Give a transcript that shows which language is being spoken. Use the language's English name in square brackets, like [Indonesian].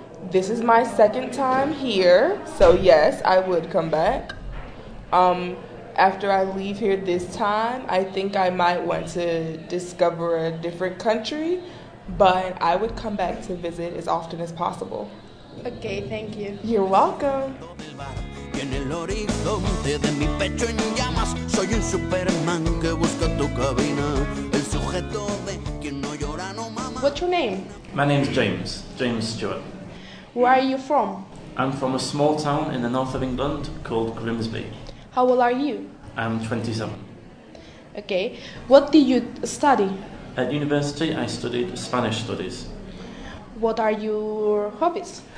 [English] This is my second time here, so yes, I would come back. After I leave here this time, I think I might want to discover a different country, but I would come back to visit as often as possible. Okay, thank you. You're welcome. [Spanish] En el horizonte de mi pecho en llamas, soy un Superman que busca tu cabina. El sujeto de quien no llora no mama. [English] What's your name? My name's James. James Stewart. Where are you from? I'm from a small town in the north of England called Grimsby. How old are you? I'm 27. Okay. What did you study? At university, I studied Spanish studies. What are your hobbies?